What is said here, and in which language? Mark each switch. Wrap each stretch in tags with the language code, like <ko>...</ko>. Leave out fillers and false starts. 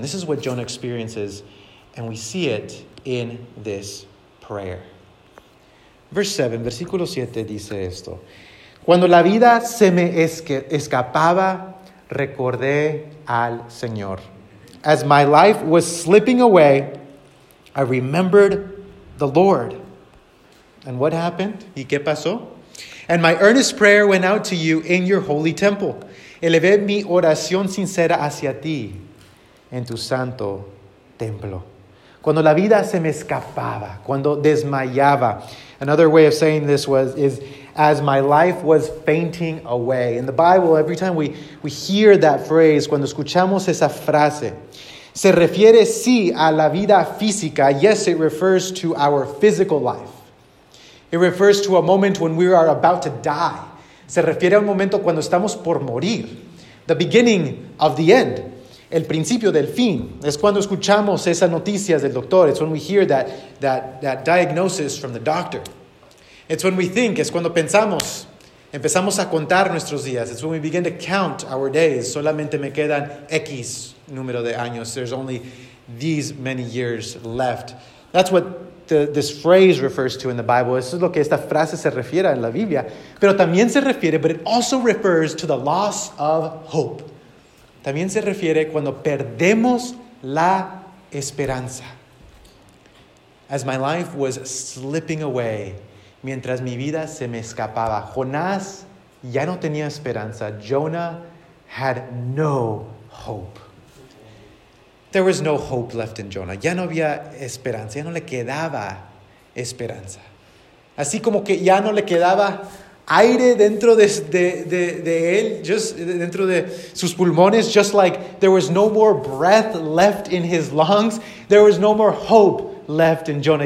<en>This is what Jonah experiences, and we see it in this prayer. Verse 7,</en> <es>versículo 7 dice esto. Cuando la vida se me escapaba, recordé al Señor.</es> <en>As my life was slipping away, I remembered the Lord. And what happened?</en> <es>¿Y qué pasó?</es> <en>And my earnest prayer went out to you in your holy temple.</en> <es>Elevé mi oración sincera hacia ti en tu santo templo. Cuando la vida se me escapaba, cuando desmayaba.</es> <en>Another way of saying this is as my life was fainting away. In the Bible, every time we hear that phrase,</en> <es>cuando escuchamos esa frase, se refiere, sí, a la vida física.</es> <en>Yes, it refers to our physical life. It refers to a moment when we are about to die.</en> <es>Se refiere a un momento cuando estamos por morir.</es> <en>The beginning of the end.</en> <es>El principio del fin. Es cuando escuchamos esas noticias del doctor.</es> <en>It's when we hear that diagnosis from the doctor. It's when we think.</en> <es>Es cuando pensamos. Empezamos a contar nuestros días.</es> <en>It's when we begin to count our days.</en> <es>Solamente me quedan X número de años.</es> <en>There's only these many years left. That's what this phrase refers to in the Bible.</en> <es>Eso es lo que esta frase se refiere en la Biblia. Pero también se refiere,</es> <en>but it also refers to the loss of hope.</en> <es>También se refiere cuando perdemos la esperanza.</es> <en>As my life was slipping away,</en> <es>mientras mi vida se me escapaba. Jonás ya no tenía esperanza.</es> <en>Jonah had no hope. There was no hope left in Jonah.</en> <es>Ya no había esperanza. Ya no le quedaba esperanza. Así como que ya no le quedaba aire dentro de él,</es> <en>just</en> <es>dentro de sus pulmones.</es> <en>Just like there was no more breath left in his lungs. There was no more hope left in Jonah.</en>